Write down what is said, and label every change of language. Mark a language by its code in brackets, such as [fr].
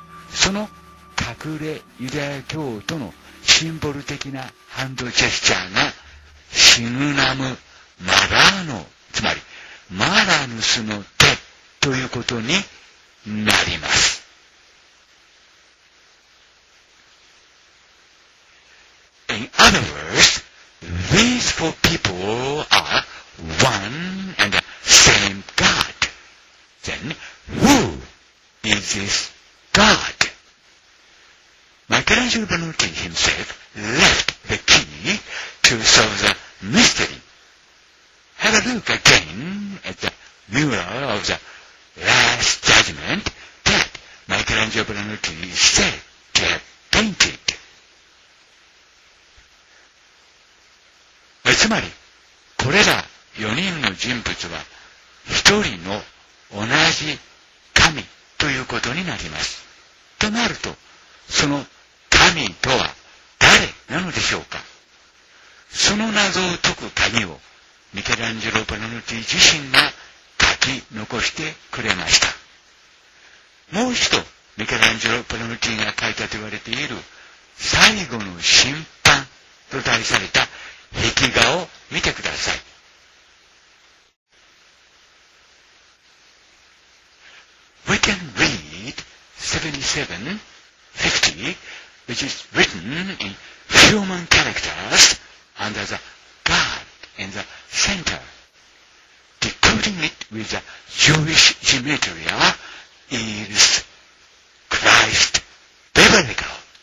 [ja] その隠れユダヤ教徒のシンボル的なハンドジェスチャーがシグナムマラーノ、つまりマラヌスの手ということになります。 [en] In other words, these four people are one and the same God. Then, who is this God? Michelangelo Buonarroti himself left the key to solve the mystery. Have a look again at the mural of the Last Judgment that Michelangelo Buonarroti is said to have painted. [ja] つまり、これら4人の人物は1人の同じ神ということになります。となると、その神とは誰なのでしょうか。その謎を解く鍵をミケランジェロ・バルヌッティ自身が書き残してくれました。もう一度、ミケランジェロ・バルヌッティが書いたと言われている最後の審判と題された壁画を見てください。 [en] We can read 7750, which is written in human characters under the God in the center, decoding it with the Jewish gematria is Christ biblical.